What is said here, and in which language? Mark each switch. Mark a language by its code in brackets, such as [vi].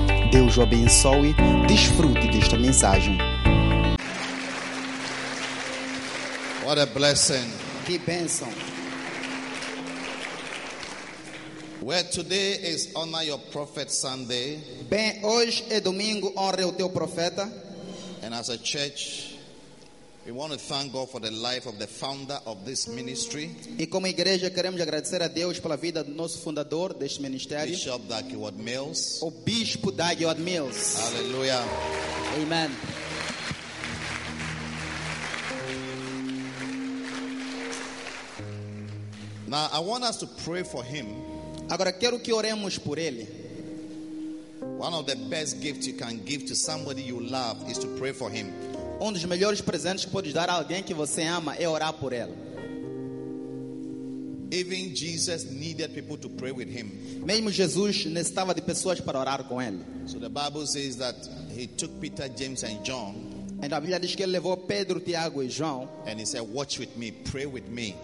[pt] Deus o abençoe. Desfrute desta mensagem. [en] What a blessing. [pt] Que bênção. [en] Where today is Honor Your Prophet Sunday. [pt] Bem, hoje é domingo, honre o teu profeta. [en] And as a church, we want to thank God for the life of the founder of this ministry. [pt] E como igreja queremos agradecer a Deus pela vida do nosso fundador deste ministério. [en] Bishop Dagwood Mills. [pt] O Bispo Dagwood Mills. [en] Hallelujah. Amen. Now I want us to pray for him. [pt] Agora quero que oremos por ele. [en] One of the best gifts you can give to somebody you love is to pray for him. [pt] Um dos melhores presentes que podes dar a alguém que você ama é orar por ele. [en] Even Jesus needed people to pray with him. [pt] Mesmo Jesus necessitava de pessoas para orar com ele. [en] So the Bible says that he took Peter, James and John. [pt] Então a Bíblia diz que ele levou Pedro, Tiago e João. [en] And he said, "Watch with me, pray with me."